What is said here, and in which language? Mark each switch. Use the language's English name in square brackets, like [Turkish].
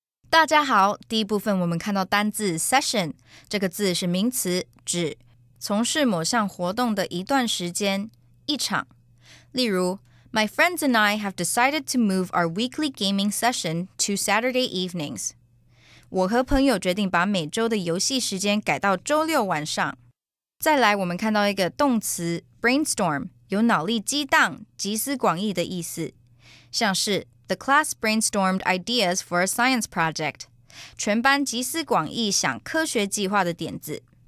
[Chinese] 大家好，第一部分我们看到单字 session， 这个字是名词，指从事某项活动的一段时间，一场。例如 [English] ，My friends and I have decided to move our weekly gaming session to Saturday evenings。 [Chinese] 我和朋友决定把每周的游戏时间改到周六晚上。再来，我们看到一个动词 brainstorm， 有脑力激荡、集思广益的意思，像是。 [English] The class brainstormed ideas for a science project. [Chinese] 全班集思广益想科学计划的点子。